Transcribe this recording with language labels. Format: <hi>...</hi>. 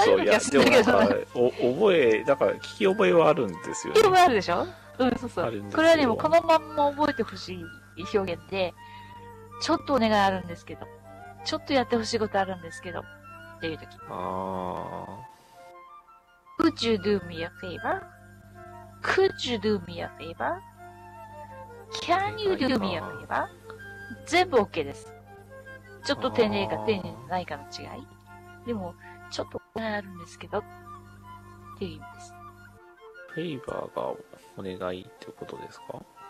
<ja>そうやってるけど。覚え、だから聞き覚えはあるんですよ、ね。聞き覚えあるでしょ？うん、そうそう。これはでもこのまんま覚えてほしい表現で、ちょっとお願いあるんですけど、ちょっとやってほしいことあるんですけどっていうとき。ああ。</ja> <en>Could you do me a favor? Could you do me a favor? Can you do me a favor?</en> <ja>全部 OK です。ちょっと丁寧か丁寧じゃないかの違い。でも、ちょっとお願いあるんですけど、っていう意味です。フェイバーがお願いってことですか？</ja>